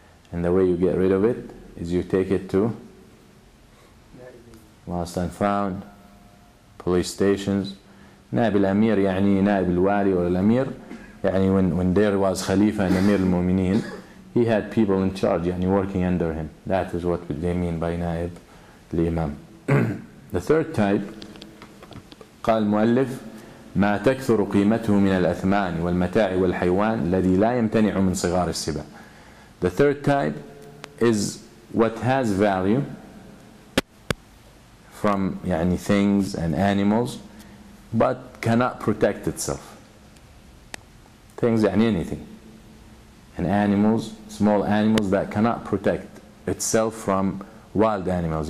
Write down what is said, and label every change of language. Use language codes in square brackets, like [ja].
[en] And the way you get rid of it is you take it to lost and found, police stations. [ar] نائب الأمير يعني نائب الوالي ولا الأمير يعني [en] when there was [ar] خليفة and أمير المؤمنين, [en] he had people in charge [ar] يعني [en] working under him. That is what they mean by نائب الإمام. The third type, [ar] قال المؤلف, ما تكثر قيمته من الأثمان والمتاع والحيوان الذي لا يمتنع من صغار السبع. [en] The third type is what has value from يعني things and animals but cannot protect itself. Things يعني anything. And animals, small animals that cannot protect itself from wild animals.